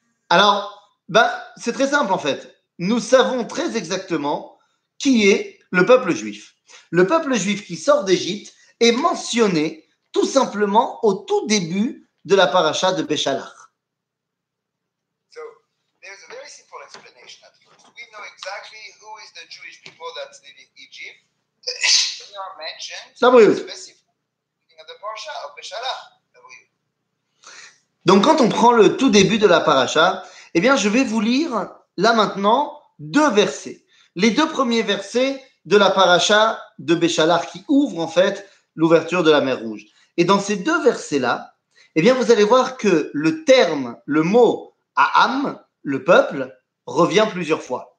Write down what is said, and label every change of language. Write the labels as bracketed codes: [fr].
[fr] Alors, c'est très simple en fait. Nous savons très exactement qui est le peuple juif. Le peuple juif qui sort d'Égypte est mentionné tout simplement au tout début de la paracha de Béchalach. [en] So, there's a very simple explanation at first. We know exactly who is the Jewish people that's living in Egypt. They are mentioned specifically in the parasha of Béchalach. [fr] Donc, quand on prend le tout début de la paracha, eh bien, je vais vous lire, là maintenant, 2 versets. Les 2 premiers versets de la paracha de Béchalach qui ouvrent, en fait, l'ouverture de la mer Rouge. Et dans ces 2 versets-là, eh bien, vous allez voir que le terme, le mot « Aham », le peuple, revient plusieurs fois.